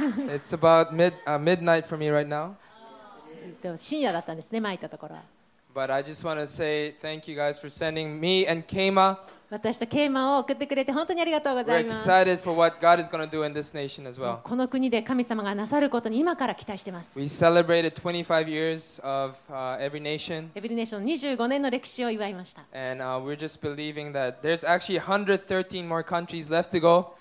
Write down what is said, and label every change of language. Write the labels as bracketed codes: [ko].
[en] It's about midnight for me right now. [ja] 深夜だったんですね、前行ったところは。 [en] But I just want to say thank you guys for sending me and Keima. [ja] 私とケイマを送ってくれて本当にありがとうございます。 [en] We're excited for what God is going to do in this nation as well. [ja] この国で神様がなさることに今から期待しています。 [en] We celebrated 25 years of every nation. [ja] Every nation 25年の歴史を祝いました。 [en] And we're just believing that there's actually 113 more countries left to go.